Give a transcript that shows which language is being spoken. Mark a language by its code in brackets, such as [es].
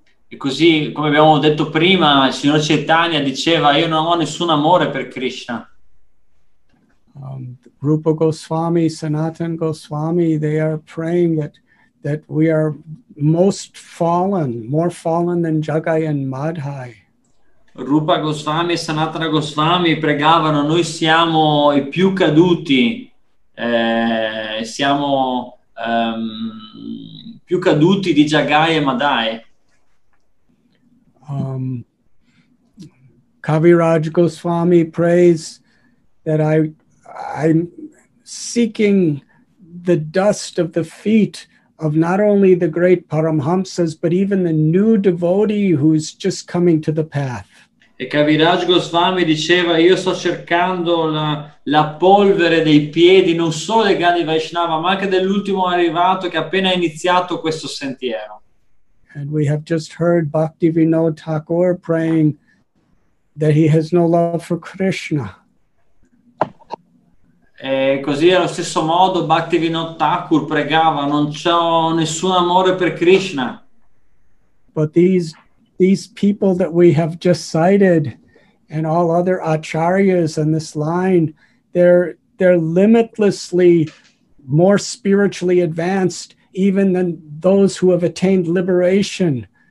[it] E così, come abbiamo detto prima, il signor Chaitanya diceva, io non ho nessun amore per Krishna. [en] Rupa Goswami, Sanatan Goswami, they are praying that we are most fallen, more fallen than Jagai and Madhai. [it] Rupa Goswami e Sanatana Goswami pregavano, noi siamo i più caduti, più caduti di Jagai e Madhai. [en] Kaviraj Goswami prays that I'm seeking the dust of the feet of not only the great Paramhamsas, but even the new devotee who's just coming to the path. [it] E Kaviraj Goswami diceva, io sto cercando la polvere dei piedi non solo dei grandi Vaishnava, ma anche dell'ultimo arrivato che ha appena iniziato questo sentiero. [en] And we have just heard Bhaktivinoda Thakur praying that he has no love for Krishna. [it] E così allo stesso modo Bhaktivinoda Thakur pregava, non c'ho nessun amore per Krishna. [en] But these people that we have just cited and all other acharyas in this line, they're limitlessly more spiritually advanced even than those who have attained liberation.